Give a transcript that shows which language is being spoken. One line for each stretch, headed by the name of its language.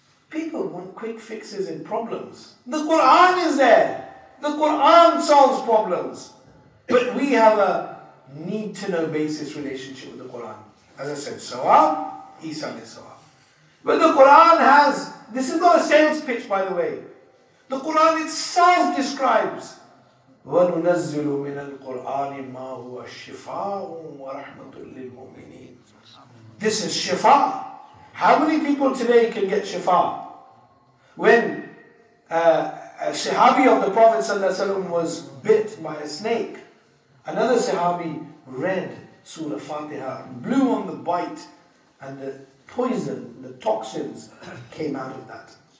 English: People want quick fixes in problems. The Quran is there. The Quran solves problems. But we have a need-to-know basis relationship with the Quran. As I said, Sawab, Isa alayhi salam. But the Quran has, this is not a sales pitch, by the way. The Quran itself describes,
Arabic: وَنُنَزِّلُ مِنَ الْقُرْآنِ مَا هُوَ الشِّفَاءٌ وَرَحْمَةٌ لِلْمُؤْمِنِينَ.
English: This is shifa. How many people today can get shifa? When a sahabi of the Prophet ﷺ was bit by a snake, another sahabi read Surah Fatiha, blew on the bite, and the poison, the toxins came out of that.